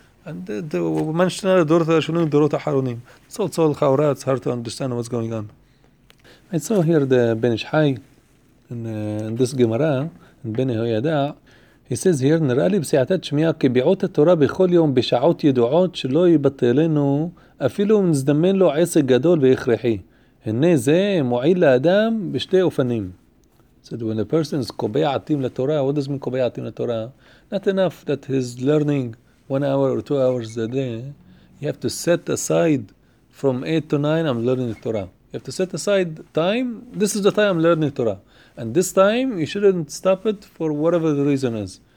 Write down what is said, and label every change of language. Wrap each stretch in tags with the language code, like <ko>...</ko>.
<en>And the mentioned Dorot HaRishonim, Dorot HaAharonim. It's all Chaura, it's hard to understand what's going on. I saw here the Ben Ish Chai in this Gemara, in Ben Hoyada. He says here,</en> <he>נראה לי בסיעתת שמיעה כביעות התורה בכל יום בשעות ידועות שלא יבטלנו, אפילו אם נזדמן לו עסק גדול והכרחי. הנה זה מועיל לאדם בשתי אופנים.</he> <en>So when a person is קובעתים לתורה, what does mean קובעתים לתורה? Not enough that his learning 1 hour or 2 hours a day, you have to set aside from 8 to 9, I'm learning the Torah. You have to set aside time. This is the time I'm learning the Torah. And this time, you shouldn't stop it for whatever the reason is.</en>